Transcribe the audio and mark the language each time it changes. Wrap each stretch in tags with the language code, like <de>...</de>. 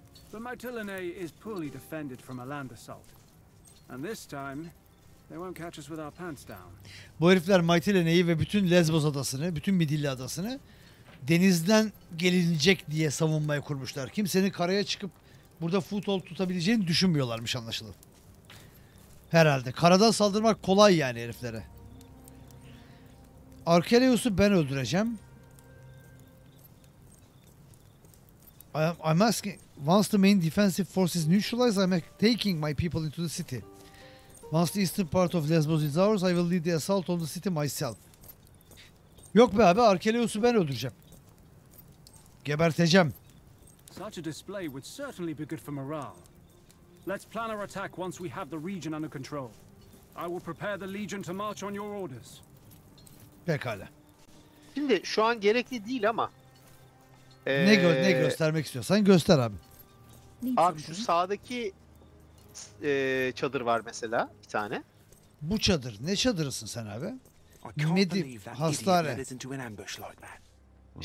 <en>The Mytilene is poorly defended from a land assault. And this time, they won't catch us with our pants down.</en> <tr>Bu herifler Mytilene'yi ve bütün Lesbos adasını, bütün Midilli adasını denizden gelinecek diye savunmaya kurmuşlar. Kimsenin karaya çıkıp burada foothold tutabileceğini düşünmüyorlarmış anlaşılan. Herhalde. Karadan saldırmak kolay yani heriflere. Archelaus'u ben öldüreceğim.</tr> <en>I'm asking, once the main defensive forces neutralize, I'm taking my people into the city. Once the eastern part of Lesbos is ours, I will lead the assault on the city myself.</en> <tr>Yok be abi, Archelaus'u ben öldüreceğim. Geberteceğim.</tr> <en>Such a display would certainly be good for morale. Let's plan our attack once we have the region under control. I will prepare the legion to march on your orders.</en> <tr>Pekala. Şimdi şu an gerekli değil ama. Ne göstermek istiyorsan göster abi. Abi şu sağdaki çadır var mesela bir tane. Bu çadır, ne çadırısın sen abi?</tr> <en>I can't</en> <tr>Hastane.</tr> <en>believe that idiot led us into an ambush like that.</en>